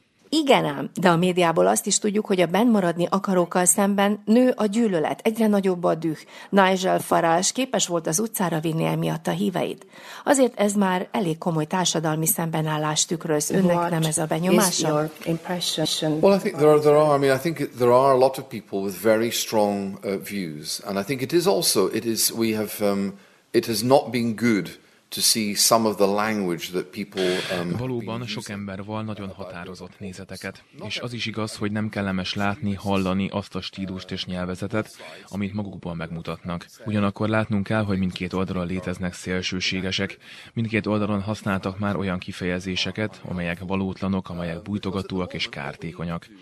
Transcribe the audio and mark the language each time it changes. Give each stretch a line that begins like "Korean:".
Hungarian: Igen ám, de a médiából azt is tudjuk, hogy a bennmaradni akarókkal szemben nő a gyűlölet, egyre nagyobb a düh. Nigel Farage képes volt az utcára vinni emiatt a híveit. Azért ez már elég komoly társadalmi szembenállást tükröz. Önnek nem ez a benyomása?
English: Well, I think there are. I mean, I think there are a lot of people with very strong views, and I think it is also, it is, we have, it has not been good to see some of the language that people
Hungarian: valóban sok ember val nagyon határozott nézeteket, és az is igaz, hogy nem kellemes látni, hallani azt a stílust és nyelvezetet, amit magukból megmutatnak. Ugyanakkor látnunk kell, hogy mindkét oldalon léteznek szélsőségesek, mindkét oldalon használtak már olyan kifejezéseket, amelyek valótlanok, amelyek bújtogatóak és kártékonyak.